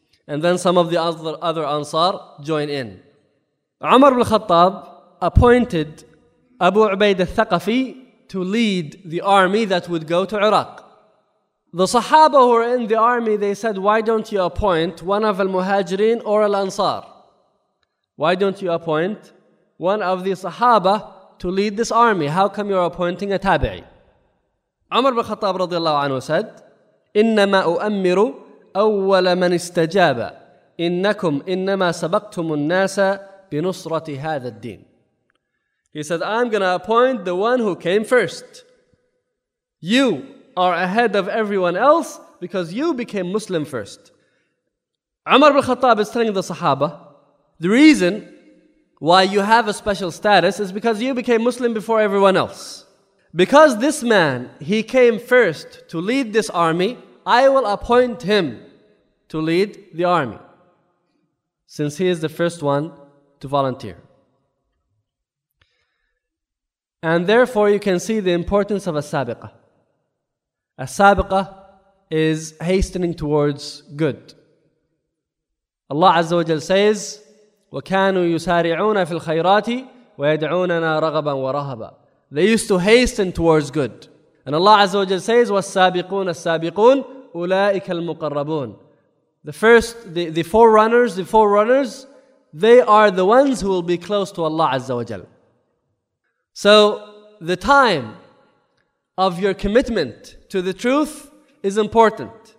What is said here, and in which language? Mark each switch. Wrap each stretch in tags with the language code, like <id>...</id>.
<en>And then some of the other Ansar join in. Umar ibn Khattab appointed Abu Ubaid al-Thaqafi to lead the army that would go to Iraq. The Sahaba who were in the army, they said, why don't you appoint one of al-Muhajirin or al-Ansar? Why don't you appoint one of the Sahaba to lead this army? How come you're appointing a tabi'i? Umar ibn Khattab radiallahu anhu said,</en> <ar>إِنَّمَا أُؤَمِّرُ أَوَّلَ مَنْ إِسْتَجَابَ إِنَّكُمْ إِنَّمَا سَبَقْتُمُ النَّاسَ بِنُصْرَةِ هَذَا الدِّينِ.</ar> <en>He said, I'm going to appoint the one who came first. You are ahead of everyone else because you became Muslim first. Umar ibn Khattab is telling the Sahaba, the reason why you have a special status is because you became Muslim before everyone else. Because this man, he came first to lead this army, I will appoint him to lead the army, since he is the first one to volunteer. And therefore, you can see the importance of a sabiqah. A sabiqah is hastening towards good. Allah Azza wa Jalla says,</en> <ar>وَكَانُوا يُسَارِعُونَ فِي الْخَيْرَاتِ وَيَدْعُونَنَا رَغَبًا وَرَهَبًا.</ar> <en>They used to hasten towards good. And Allah Azza wa Jalla says,</en> <ar>وَالسَّابِقُونَ السَّابِقُونَ أُولَٰئِكَ الْمُقَرَّبُونَ.</ar> <en>The first, the forerunners, they are the ones who will be close to Allah Azza wa Jalla. So the time of your commitment to the truth is important.</en>